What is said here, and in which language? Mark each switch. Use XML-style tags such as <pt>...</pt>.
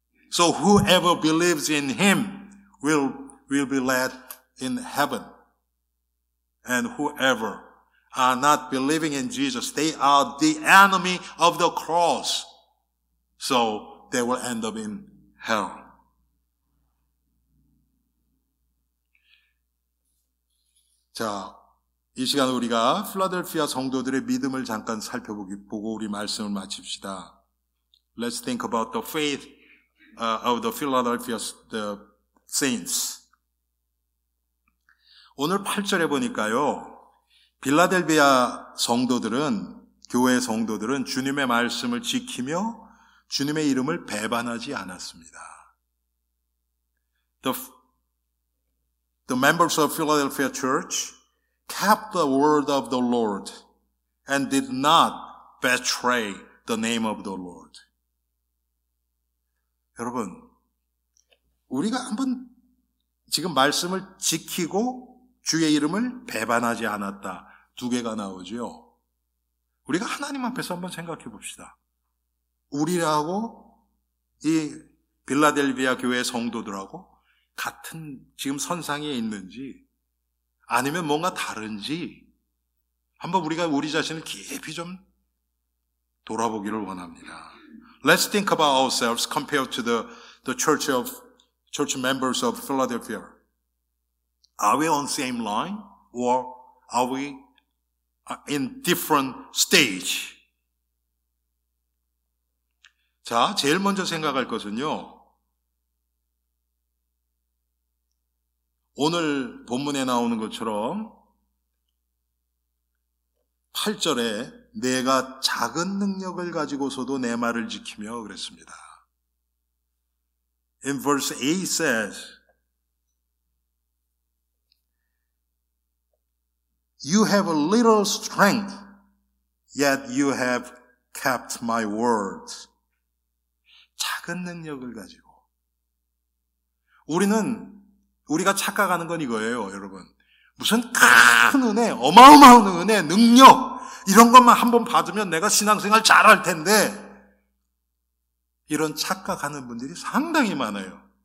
<en>So whoever believes in him will be led in heaven. And whoever are not believing in Jesus, they are the enemy of the cross. So they will end up in hell.</en> <ko>자, 이 시간 우리가 필라델피아 성도들의 믿음을 잠깐 살펴보고 우리 말씀을 마칩시다.</ko> <en>Let's think about the faith of the Philadelphia the saints.</en> <ko>오늘 8절에 보니까요. 빌라델비아 성도들은 교회 성도들은 주님의 말씀을 지키며 주님의 이름을 배반하지 않았습니다.</ko> <en>The members of Philadelphia church kept the word of the Lord and did not betray the name of the Lord.</en> <ko>여러분, 우리가 한번 지금 말씀을 지키고 주의 이름을 배반하지 않았다. 두 개가 나오죠. 우리가 하나님 앞에서 한번 생각해 봅시다. 우리라고 이 빌라델비아 교회 성도들하고 같은 지금 선상에 있는지 아니면 뭔가 다른지 한번 우리가 우리 자신을 깊이 좀 돌아보기를 원합니다.</ko> <en>Let's think about ourselves compared to the church of church members of Philadelphia. Are we on the same line or are we in different stage?</en> <ko>자, 제일 먼저 생각할 것은요. 오늘 본문에 나오는 것처럼 8절에 내가 작은 능력을 가지고서도 내 말을 지키며 그랬습니다.</ko> <en>In verse 8 says, You have a little strength, yet you have kept my word.</en> <ko>작은 능력을 가지고. 우리는 우리가 착각하는 건 이거예요, 여러분. 무슨 큰 은혜, 어마어마한 은혜, 능력 이런 것만 한번 받으면 내가 신앙생활 잘할 텐데 이런 착각하는 분들이 상당히 많아요.</ko>